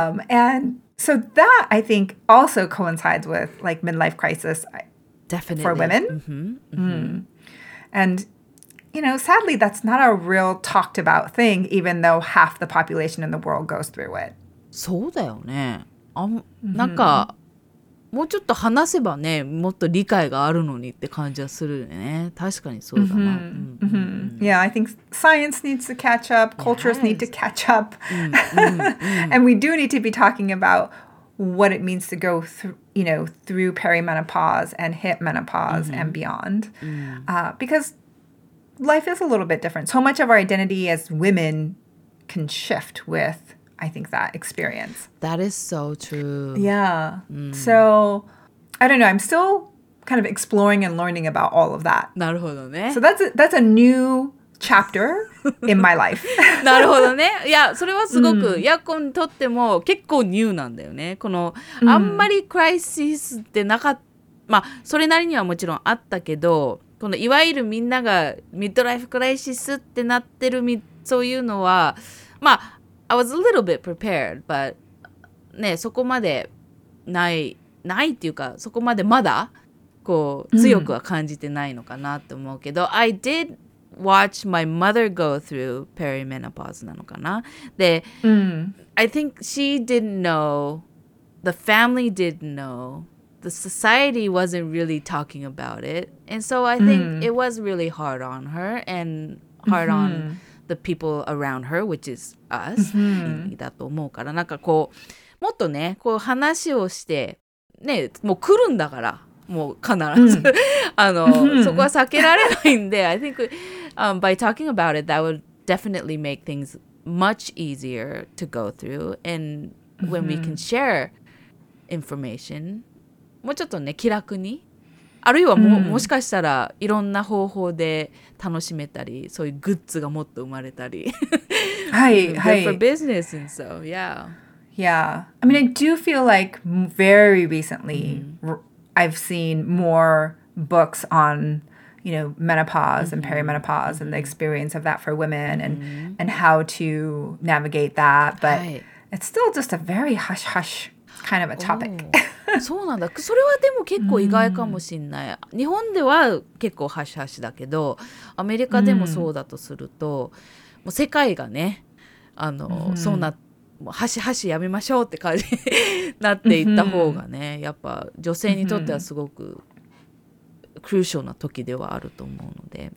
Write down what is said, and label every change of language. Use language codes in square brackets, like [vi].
[en] And so that, I think, also coincides with like midlife crisis for women. And, you know, sadly, that's not a real talked about thing, even though half the population in the world goes through it. [ja] そうだよね。なんか、もうちょっと話せばね、もっと理解があるのにって感じはするよね。確かにそうだな。 [en] Yeah, I think science needs to catch up, cultures need to catch up. And we do need to be talking about what it means to go through, you know, through perimenopause and hit menopause and beyond. Because life is a little bit different. So much of our identity as women can shift with, I think, that experience. That is so true. Yeah. So, I don't know. I'm still kind of exploring and learning about all of that. [ja] なるほどね。 [en] So that's a new chapter in my life. [ja] なるほどね。いや、それはすごく、ヤコにとっても結構ニューなんだよね。この、あんまりクライシスってなかった、まあ、それなりにはもちろんあったけど、このいわゆるみんながミッドライフクライシスってなってるそういうのは、まあ、 [en] I was a little bit prepared, but [ja] ね、そこまでないっていうか、そこまでまだこう強くは感じてないのかなと思うけど、 [en] I did watch my mother go through perimenopause [ja] なのかな。 [en] で、I think she didn't know, the family didn't know,the society wasn't really talking about it. And so I think it was really hard on her and hard on the people around her, which is us. [ja] だと思うから、なんかこう、もっとね、こう話をして、ね、もう来るんだから、もう必ず。そこは避けられないんで、 [en] I think by talking about it, that would definitely make things much easier to go through. And when we can share information... [ja] もうちょっとね、気楽に。あるいはもしかしたらいろんな方法で楽しめたり、そういうグッズがもっと生まれたり。はい、はい。 [en] For business and so, yeah. Yeah. I mean, I do feel like very recently, I've seen more books on, you know, menopause and perimenopause and the experience of that for women and how to navigate that. But it's still just a very hush-hush kind of a topic. [ja] そうなんだ。それはでも結構意外かもしんない。日本では結構ハシハシだけど、アメリカでもそうだとすると、もう世界がね、そうな、もうハシハシやめましょうって感じになっていった方がね、やっぱ女性にとってはすごくクルーシャルな時ではあると思うので。